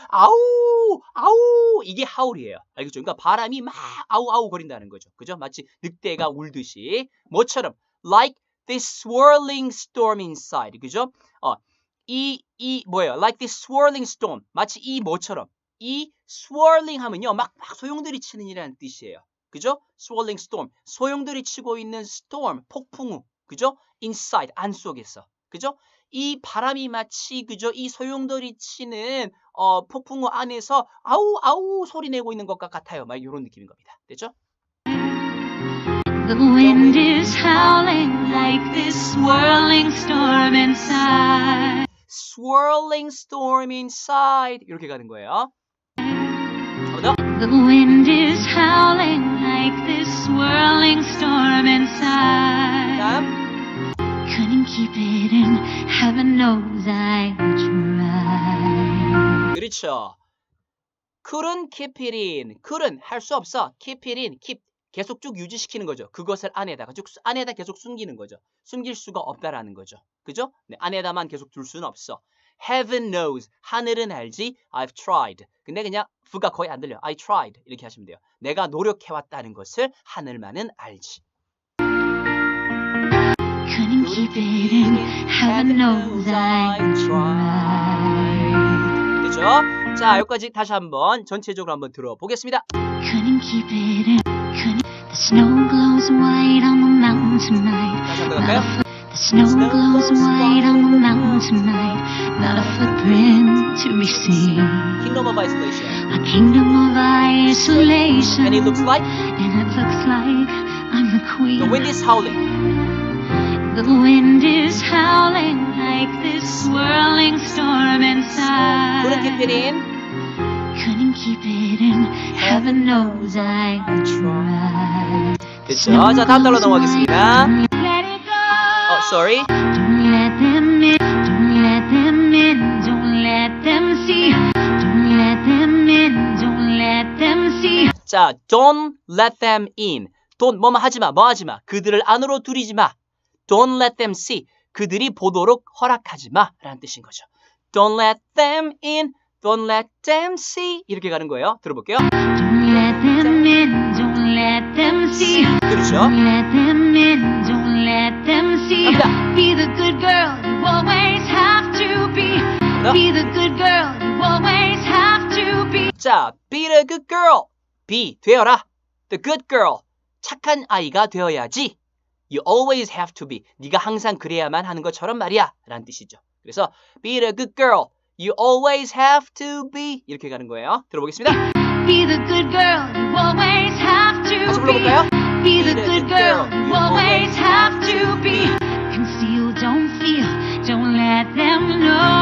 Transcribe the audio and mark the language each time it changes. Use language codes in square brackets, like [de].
[ko] 아우 아우 이게 howl이에요. 알겠죠? 그러니까 바람이 막 아우 아우 거린다는 거죠. 그죠? 마치 늑대가 울듯이 뭐처럼 [en] like this swirling storm inside. [ko] 그죠? 이 뭐예요? [en] Like this swirling storm. [ko] 마치 이 뭐처럼. 이 swirling 하면요. 막 소용돌이 치는 이라는 뜻이에요. 그죠? [en] Swirling storm. [ko] 소용돌이 치고 있는 storm. 폭풍우. 그죠? Inside. 안 속에서. 그죠? 이 바람이 마치 그죠? 이 소용돌이 치는 폭풍우 안에서 아우 아우 소리 내고 있는 것 같아요. 막 이런 느낌인 겁니다. 됐죠? [en] The wind is howling like this swirling storm inside. Swirling storm inside [ko] 이렇게 가는 거예요. [en] The wind is howling like this swirling storm inside. Couldn't keep it in, heaven knows I tried. [ko] 그렇죠. [en] Couldn't keep it in. [ko] Couldn't 할 수 없어. [en] Keep it in. [ko] Keep 계속 쭉 유지시키는 거죠. 그것을 안에다가 쭉 안에다 계속 숨기는 거죠. 숨길 수가 없다라는 거죠. 그죠? 네, 안에다만 계속 둘 수는 없어. [en] Heaven knows. [ko] 하늘은 알지. [en] I've tried. [ko] 근데 그냥 부가 거의 안 들려. [en] I tried. [ko] 이렇게 하시면 돼요. 내가 노력해왔다는 것을 하늘만은 알지. Couldn't [en] keep it in. Heaven knows I tried. [ko] 그죠? 자, 여기까지 다시 한번 전체적으로 한번 들어보겠습니다. [en] Couldn't keep it in. The snow glows white on the mountain tonight. The snow glows white on the mountain tonight. Not a footprint to be seen. Kingdom of isolation. A kingdom of isolation. And it looks like. And it looks like I'm the queen. The wind is howling. The wind is howling like this swirling storm inside. Couldn't keep it in. Couldn't keep it in. Heaven knows I tried. [ko] 그쵸? 자, 다음 달로 넘어가겠습니다. [en] Oh, sorry. Don't let them in, don't let them in, don't let them see. Don't let them in, don't let them see. 자, don't let them in. [ko] Don't 뭐 하지 마, 뭐 하지 마. 그들을 안으로 두리지 마. [en] Don't let them see. [ko] 그들이 보도록 허락하지 마. 라는 뜻인 거죠. [en] Don't let them in, don't let them see. [ko] 이렇게 가는 거예요. 들어볼게요. [en] Don't let them in. Let them see. [ko] 그렇죠? [en] Don't let them in. Don't let them see. [ko] 갑니다. [en] Be the good girl you always have to be. [ko] 갑니다. [en] Be the good girl you always have to be. 자, be the good girl. Be [ko] 되어라. [en] The good girl. [ko] 착한 아이가 되어야지. [en] You always have to be. [ko] 네가 항상 그래야만 하는 것처럼 말이야. 라는 뜻이죠. 그래서 [en] be the good girl. You always have to be. [ko] 이렇게 가는 거예요. 들어보겠습니다. [en] Be the good girl you always have to be. Be the good girl you always have to be. Conceal, don't feel, don't let them know.